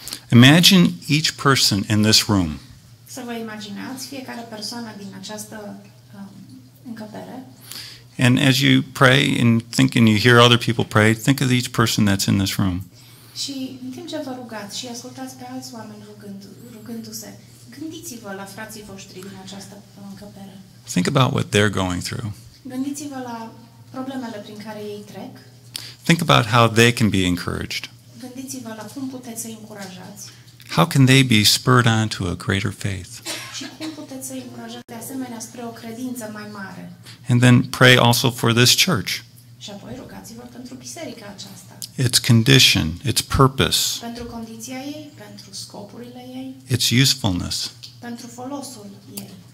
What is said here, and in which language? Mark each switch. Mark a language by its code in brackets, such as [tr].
[en] Imagine each person in this room. And as you pray and think and you hear other people pray, think of each person that's in this room. [ro] Și în timp ce vă rugați și ascultați pe alți oameni rugându-se, gândiți-vă la frații voștri din această încăpere. [en] Think about what they're going through. [ro] Gândiți-vă la problemele prin care ei trec. [en] Think about how they can be encouraged. [ro] Gândiți-vă la cum puteți să-i încurajați. [en] How can they be spurred on to a greater faith? [ro] Și cum puteți să-i încurajați de asemenea spre o credință mai mare? [en] And then pray also for this church. [ro] Și apoi rugați-vă pentru biserica aceasta. [en] Its condition, its purpose, [ro] pentru condiția ei, pentru scopurile ei, [en] its usefulness, [ro] pentru folosul ei,